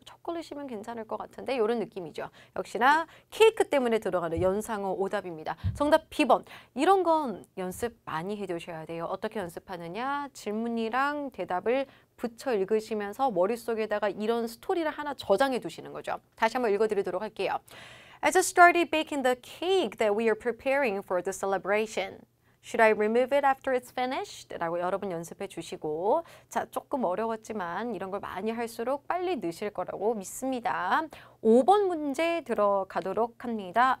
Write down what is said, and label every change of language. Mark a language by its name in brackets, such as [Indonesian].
[Korean] 초콜릿이면 괜찮을 것 같은데 이런 느낌이죠. 역시나 케이크 때문에 들어가는 연상어 오답입니다. 정답 B번. 이런 건 연습 많이 해두셔야 돼요. 어떻게 연습하느냐? 질문이랑 대답을 붙여 읽으시면서 머릿속에다가 이런 스토리를 하나 저장해 두시는 거죠. 다시 한번 읽어드리도록 할게요. [English] I just started baking the cake that we are preparing for the celebration. Should I remove it after it's finished? [Korean] 라고 여러분 연습해 주시고 자 조금 어려웠지만 이런 걸 많이 할수록 빨리 느실 거라고 믿습니다. 5번 문제 들어가도록 합니다.